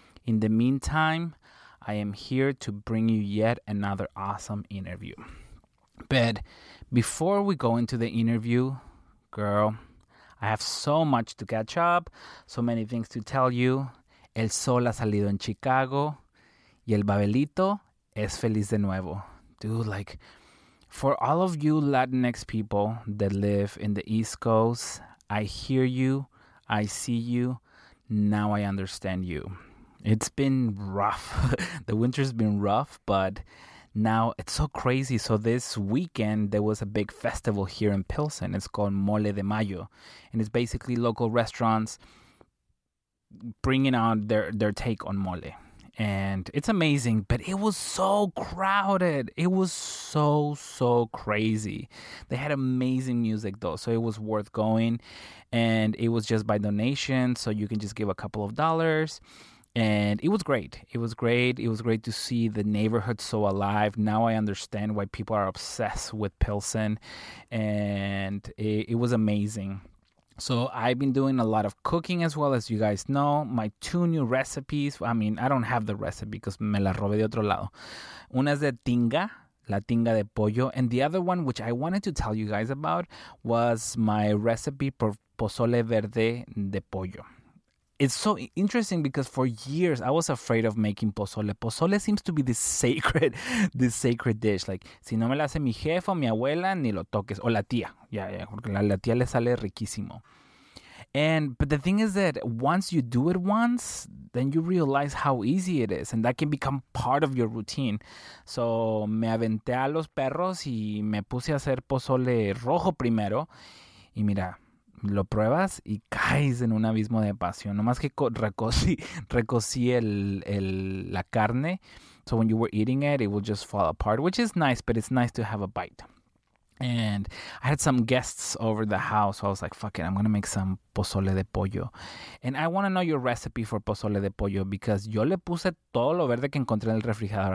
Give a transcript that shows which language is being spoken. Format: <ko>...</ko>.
<en>In the meantime, I am here to bring you yet another awesome interview. But before we go into the interview, girl, I have so much to catch up, so many things to tell you.</en> <es>El sol ha salido en Chicago, y el Babelito es feliz de nuevo.</es> <en>Dude, like, for all of you Latinx people that live in the East Coast, I hear you, I see you, now I understand you. It's been rough. The winter's been rough, but now it's so crazy. So this weekend, there was a big festival here in Pilsen. It's called Mole de Mayo. And it's basically local restaurants bringing out their take on mole. And it's amazing, but it was so crowded. It was so, so crazy. They had amazing music, though, so it was worth going. And it was just by donation, so you can just give a couple of dollars. And it was great. It was great. It was great to see the neighborhood so alive. Now I understand why people are obsessed with Pilsen. And it was amazing. So I've been doing a lot of cooking as well, as you guys know. My two new recipes, I mean, I don't have the recipe because</en> <es>me la robé de otro lado. Una es de tinga, la tinga de pollo.</es> <en>And the other one, which I wanted to tell you guys about, was my recipe for pozole verde de pollo. It's so interesting because for years I was afraid of making pozole. Pozole seems to be this sacred dish.</en> <es>Like, si no me la hace mi jefa, mi abuela, ni lo toques. O la tía. Yeah, porque la tía le sale riquísimo.</es> <en>But the thing is that once you do it once, then you realize how easy it is. And that can become part of your routine.</en> <es>So me aventé a los perros y me puse a hacer pozole rojo primero. Y mira, lo pruebas y caes en un abismo de pasión. Nomás que recocí la carne.</es> <en>So when you were eating it, it would just fall apart, which is nice, but it's nice to have a bite. And I had some guests over the house, so I was like, fuck it, I'm going to make some pozole de pollo. And I want to know your recipe for pozole de pollo, because</en> <es>yo le puse todo lo verde que encontré en el refrigerador.</es>